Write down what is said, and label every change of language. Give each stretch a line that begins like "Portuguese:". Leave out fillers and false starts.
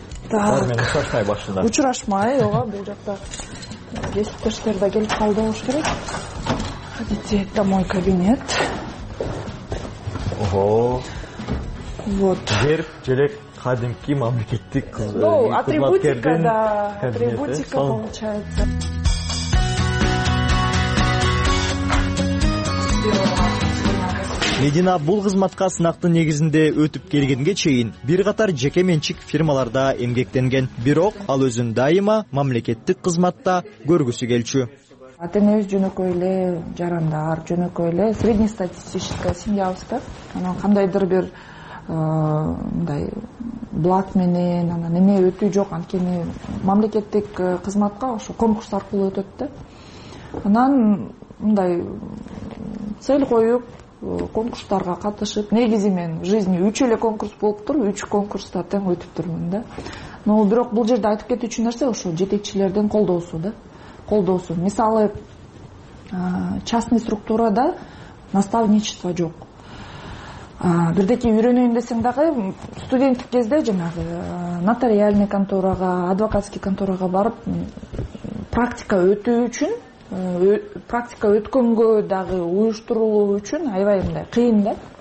Russian: Так,
Kyrgyz: учурашмай, ага, бул жакта кесиптештер да келип калды болуш керек.
Russian: Ходите, это мой кабинет. Ого. Вот.
Kyrgyz: Жер, жерек, кадимки, мамлекеттик кызы.
Russian: Ну, атрибутика, да, атрибутика получается.
Kyrgyz: Медина бул кызматка сынактын негизинде өтүп келгенге чейин бир катар жеке менчик фирмаларда эмгектенген. Бирок ал өзүн дайыма мамлекеттик кызматта көргүсү келчү. Атенебиз жөнөкөй эле жарандар, жөнөкөй эле среднестатистическая семьябызда. Анан кандайдыр бир мындай блат менен анан эме өтүү жок, анткени мамлекеттик кызматка ошо конкурс аркылуу өтөт да. Анан мындай цель коюп конкурстарга катышып, негизи мен жизни 3 эле конкурс болуп тур, 3 конкурста тең өтүп турмун да. Но бирок бул жерде айтып кетүүчү нерсе ошо жетекчилерден колдоосу да. Колдоосу. Мисалы, частный структурада наставничество жок. Бирдеки үйрөнөйүн десең дагы студенттик кезде жанагы нотариальный конторага, адвокатский конторага барып практика өтүү үчүн практика өткөнгө дагы уюштурулуу үчүн аябай мындай кыйын да.